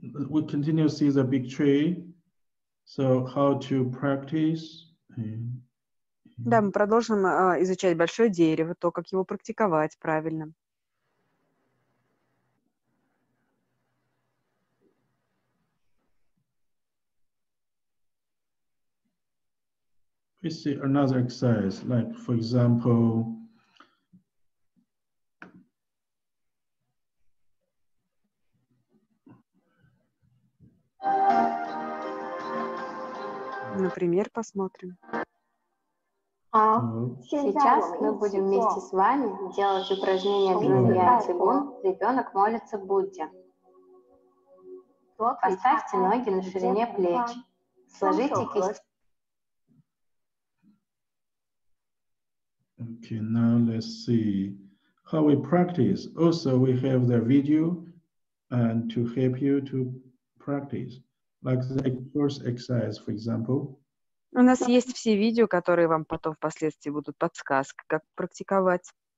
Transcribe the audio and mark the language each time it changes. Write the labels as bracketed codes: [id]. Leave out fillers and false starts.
[en] We continue to see the big tree. So how to practice? [ru] Да, мы продолжим изучать большое дерево, то, как его практиковать правильно. [en] We see another exercise, like for example. [ru] Например, посмотрим. А сейчас мы будем вместе с вами делать упражнение «Объединяя цигун. Ребенок молится Будде». Поставьте ноги на ширине плеч. Сложите кисти. [en] Okay, now let's see how we practice. Also, we have the video and to help you to practice. Like the first exercise, for example. [ru] У нас есть все видео, которые вам потом впоследствии будут подсказка, как практиковать.